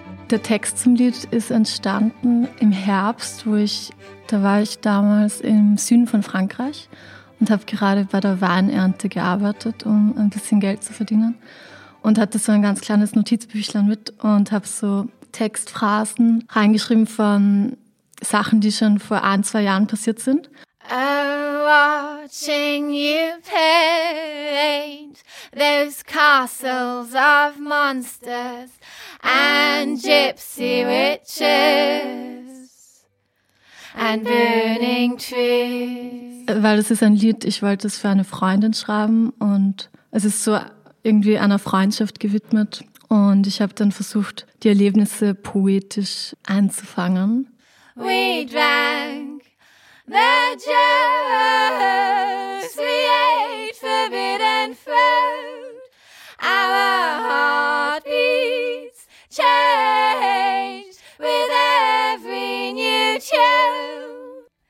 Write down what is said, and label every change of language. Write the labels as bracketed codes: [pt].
[de] Der Text zum Lied ist entstanden im Herbst, da war ich damals im Süden von Frankreich und habe gerade bei der Weinernte gearbeitet, um ein bisschen Geld zu verdienen. Und hatte so ein ganz kleines Notizbüchlein mit und habe so Textphrasen reingeschrieben von Sachen, die schon vor 1-2 Jahren passiert sind. [en] I'm watching you paint those castles of monsters and gypsy witches. And burning trees. [de] Weil es ist ein Lied, ich wollte es für eine Freundin schreiben und es ist so irgendwie einer Freundschaft gewidmet und ich habe dann versucht, die Erlebnisse poetisch einzufangen. [en] We drank the juice, we ate forbidden fruit, our heartbeats changed with every new tune.